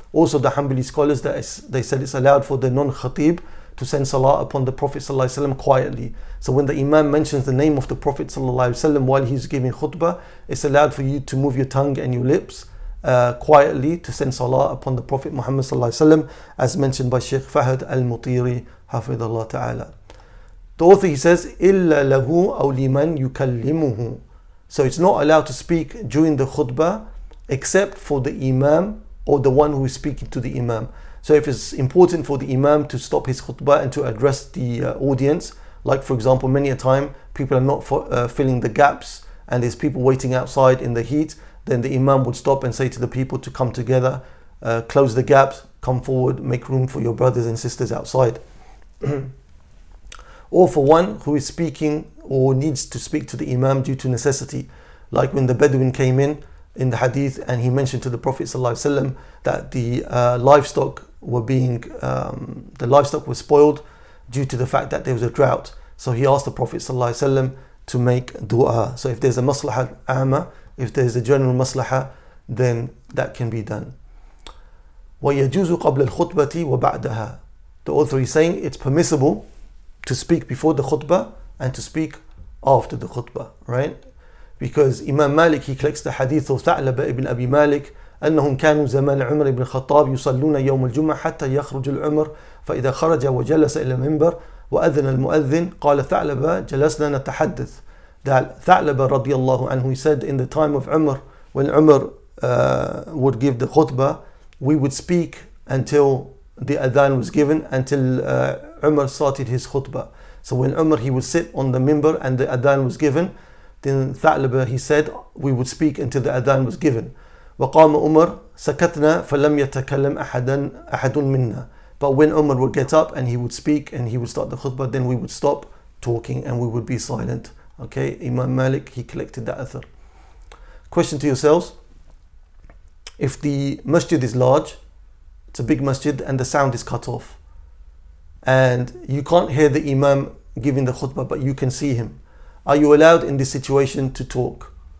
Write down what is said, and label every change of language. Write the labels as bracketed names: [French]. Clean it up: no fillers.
[English] Also the Hanbali scholars, that they said it's allowed for the non-khatib to send salah upon the Prophet ﷺ quietly. So when the imam mentions the name of the Prophet ﷺ while he's giving khutbah, it's allowed for you to move your tongue and your lips quietly to send salah upon the Prophet Muhammad ﷺ, as mentioned by Sheikh Fahd al-Mutiri, Hafidhullah Ta'ala. The author, he says, [Arabic] إِلَّا لَهُ أَوْ لِمَنْ يُكَلِّمُهُ. [English] So it's not allowed to speak during the khutbah except for the imam or the one who is speaking to the imam. So if it's important for the imam to stop his khutbah and to address the audience, like for example, many a time people are not filling the gaps and there's people waiting outside in the heat, then the imam would stop and say to the people to come together, close the gaps, come forward, make room for your brothers and sisters outside. Or for one who is speaking or needs to speak to the imam due to necessity, like when the Bedouin came in the hadith and he mentioned to the Prophet ﷺ that the livestock were being the livestock was spoiled due to the fact that there was a drought. So he asked the Prophet ﷺ to make dua. So if there's a maslaha amma, if there's a general maslaha, then that can be done. [Arabic] وَيَجُوزُ قَبْلَ الْخُطْبَةِ وَبَعْدَهَا. [English] The author is saying it's permissible to speak before the khutbah and to speak after the khutbah, right? Because Imam Malik, he collects the hadith of Tha'laba ibn Abi Malik, [Arabic] أنهم كانوا زمان عمر بن الخطاب يصلون يوم الجمعة حتى يخرج العمر فإذا خرج وجلس إلى المنبر وأذن المؤذن قال ثعلبة جلسنا نتحدث. [English] That Tha'laba [Arabic] رضي الله عنه, [English] he said in the time of Umar, when Umar would give the khutbah, we would speak until the adhan was given, until Umar started his khutbah. So when Umar, he would sit on the minbar and the adhan was given, then Tha'laba, he said, we would speak until the adhan was given. [Arabic] وقام عمر سكتنا فلم يتكلم أحد منا. [English] But when Umar would get up and he would speak and he would start the khutbah, then we would stop talking and we would be silent. Okay, Imam Malik, he collected that athar. Question to yourselves, if the masjid is large, it's a big masjid and the sound is cut off, and you can't hear the imam giving the khutbah but you can see him, are you allowed in this situation to talk?